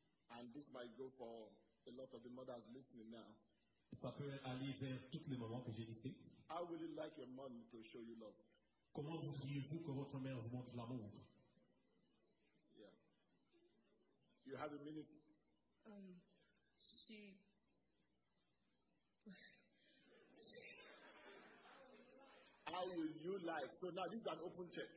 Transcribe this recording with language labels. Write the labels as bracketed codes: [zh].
[en] and this might go for a lot of the mothers listening now, [fr] ça peut aller vers toutes les mamans que j'ai listées. [en] How would you like your mom to show you love? [fr] Comment voudriez-vous que votre mère vous montre l'amour? [en] Yeah. You have a minute. She. How will you like? So now this is an open check.